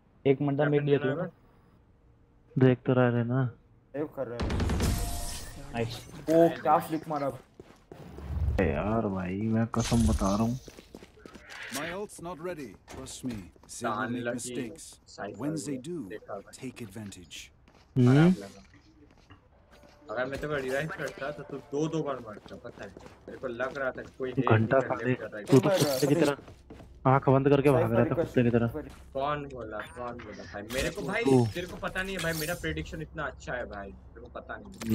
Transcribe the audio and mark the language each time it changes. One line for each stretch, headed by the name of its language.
Hindi: एक मिनट में मिल गया देख तो रहा है ना सेव कर रहा है नाइस वो क्या फ्लिक मारा अब यार भाई मैं कसम बता रहा हूँ
English: My ult's not ready. Trust me. They make mistakes. When they do, take advantage. Hmm?
Hindi: अगर मैं तेरे को रिवाइव करता तो तू दो दो बार मर जाता पता है मेरे को लग रहा था कोई घंटा खाली तू तो कुत्ते की तरह आंख बंद करके भाग रहा था कुत्ते की तरह कौन बोला भाई मेरे को भाई तेरे को पता नहीं है भाई मेरा प्रेडिक्शन इतना अच्छा है भाई तेरे को पता नहीं